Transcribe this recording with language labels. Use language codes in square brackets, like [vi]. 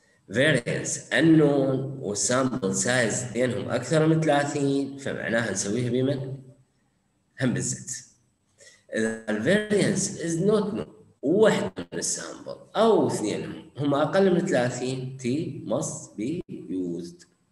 [en] variance unknown [ar] و sample size بينهم أكثر من 30، فمعناها نسويها بمن؟ هم بالزت. [en] The variance is not known. [ar] واحد من السامبل او اثنين هم اقل من 30 تي [en] must be used.